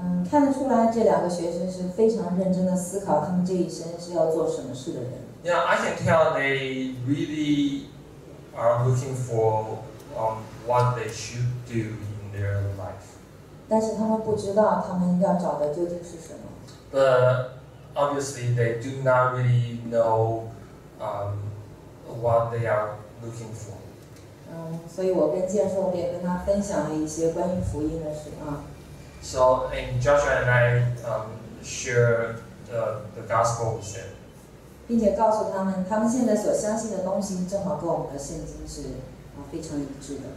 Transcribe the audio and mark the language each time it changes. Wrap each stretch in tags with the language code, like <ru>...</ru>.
<zh>看得出来这两个学生是非常认真的思考他们这一生是要做什么事的人。</zh> <en>Yeah, I can tell they really are looking for what they should do in their life.</en> <zh>但是他们不知道他们要找的究竟是什么。</zh> <en>But obviously, they do not really know what they are looking for.</en> <zh>所以我跟建硕也跟他分享了一些关于福音的事啊。</zh> <en>So, and Joshua and I share the gospel with him.</en> <zh>并且告诉他们，他们现在所相信的东西正好跟我们的圣经是非常一致的。</zh>